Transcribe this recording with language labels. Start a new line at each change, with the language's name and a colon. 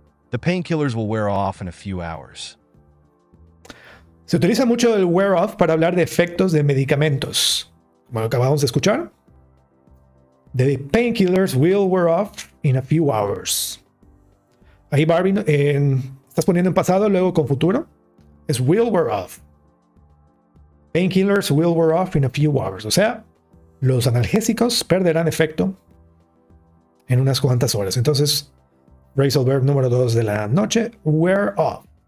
English: The painkillers will wear off in a few hours.
Spanish: Se utiliza mucho el wear off para hablar de efectos de medicamentos. Como lo acabamos de escuchar.
English: The painkillers will wear off in a few hours.
Spanish: Ahí Barbie, estás poniendo en pasado, luego con futuro. Es will wear off.
English: Painkillers will wear off in a few hours.
Spanish: O sea, los analgésicos perderán efecto en unas cuantas horas. Entonces, phrasal verb número 2 de la noche, wear off.